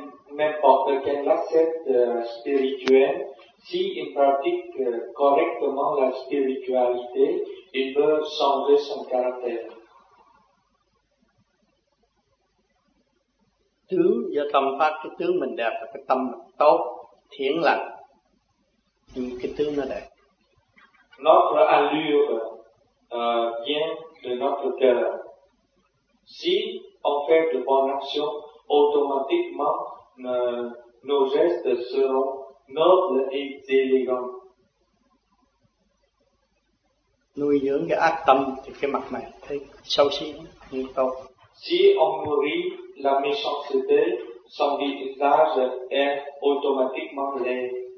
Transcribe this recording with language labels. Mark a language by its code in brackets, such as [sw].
[fr] N'importe quel aspect spirituel, si il pratique correctement la spiritualité, il peut changer son caractère. [vi] Tướng do tâm phát, cái tướng mình đẹp là cái tâm tốt, thiện lành, thì cái tướng nó đẹp. [fr] Notre allure vient de notre cœur. Si on fait de bonnes actions, automatiquement, nos gestes seront nobles et élégants. [vi] Nuôi dưỡng cái ác tâm thì cái mặt mày thấy xấu xí, như tôi. [fr] Si on nourrit la méchanceté, son visage est automatiquement laid.